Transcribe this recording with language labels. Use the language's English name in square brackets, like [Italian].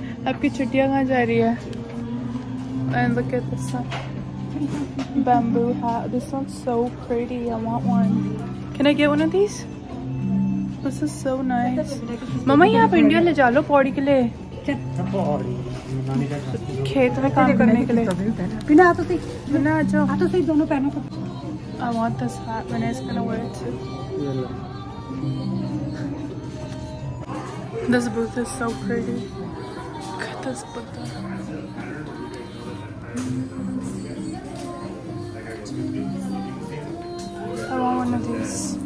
[Hindi] आपकी छुट्टियाँ कहाँ जा रही है? [English] And look at this one. Bamboo hat. This one's so pretty. I want one. Can I get one of these? This is so nice. [Hindi] Mama, ये आप India ले जा लो पौड़ी के लिए. खेत में काम करने के लिए बिना हाथों से बिना जो हाथों से दोनों पहनो [English] I want this hat when it's gonna wear it too this booth is so pretty look at this booth I want one of these